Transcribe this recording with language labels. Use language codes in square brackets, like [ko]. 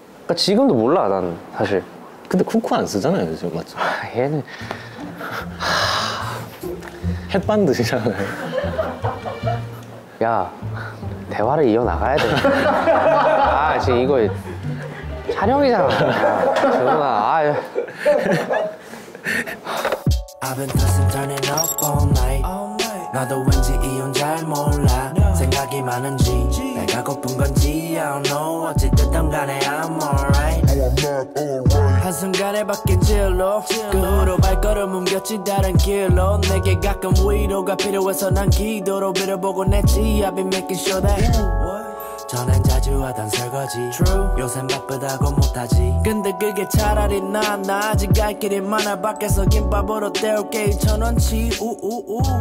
[ko] 그러니까 지금도 몰라 난 사실. 근데 쿠쿠 안 쓰잖아요 지금. 맞죠? 얘는 햇반드시잖아요. 야 대화를 이어나가야 돼. 아 지금 이거 촬영이잖아. 준훈아. [en] 아 I've been tossing turning up all night. [ko] 나도 왠지 이유는 잘 몰라. 생각이 많은지 내가 고픈 건지 [en] I don't know. [ko] 어찌됐든 간에 [en] I'm alright. [ko] 한순간에 바뀐 질로 그 후로 발걸음 옮겼지 다른 길로 내게 가끔 위로가 필요해서 난 기도로 빌어보고 내 지압이 [en] making sure that [ko] 전엔 자주 하던 설거지 요샌 바쁘다고 못하지 근데 그게 차라리 나 아직 갈 길이 많아 밖에서 김밥으로 때울게 2000원치 우우우.